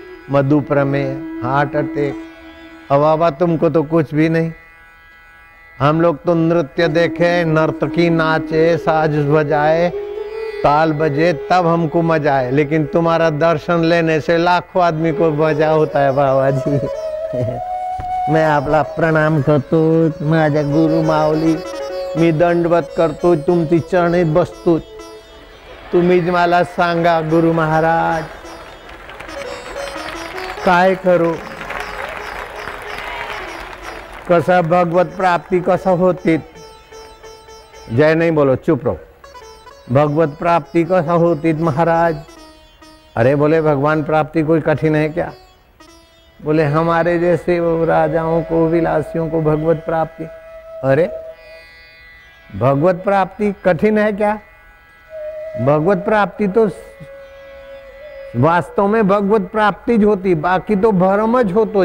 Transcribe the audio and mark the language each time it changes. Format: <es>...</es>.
<hi>मधुप्रमेह, heart attack. अबाबा तुमको तो कुछ भी नहीं, हम लोग तो नृत्य देखे, नर्तकी नाचे, साज बजाए, ताल बजे, तब हमको मजा आए, लेकिन तुम्हारा दर्शन लेने से लाखों आदमी को मजा होता है बाबा जी।</hi> <mr>मैं आपला प्रणाम करतो, माझा गुरु माऊली मी दंडवत करतो, तुमची चरणी बसतो, तुम्हीच मला सांगा गुरु महाराज काय करू, कसा भगवत प्राप्ती कसा होती। जय नाही बोलो,</mr> <hi>चुप रहो।</hi> <mr>भगवत प्राप्ती कसा होती महाराज?</mr> <hi>अरे बोले, भगवान प्राप्ती कोई कठिन है क्या? बोले हमारे जैसे राजाओं को, विलासियों को भगवत प्राप्ती। अरे भगवत प्राप्ती कठिन है क्या?</hi> <mr>भगवत प्राप्ती तो वास्तव में भगवत प्राप्ति ज होती, बाकी तो भ्रम ज होतो।</mr>